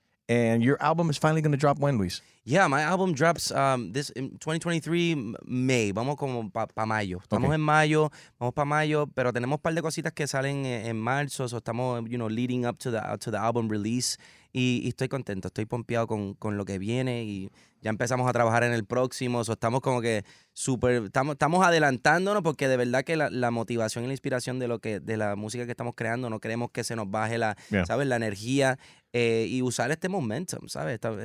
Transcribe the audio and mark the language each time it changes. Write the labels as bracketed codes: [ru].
[en] And your album is finally going to drop when, Luis? Yeah, my album drops this in 2023, May. [es] Vamos como pa mayo. Estamos okay. En mayo, vamos pa mayo, pero tenemos un par de cositas que salen en marzo. So estamos, [en] you know, leading up to the album release. [es] Y estoy contento, estoy pompeado con lo que viene. Y ya empezamos a trabajar en el próximo. So estamos como que súper, estamos adelantándonos porque de verdad que la motivación y la inspiración de la música que estamos creando, no queremos que se nos baje ¿sabes? La energía. Y usar este momentum, ¿sabes?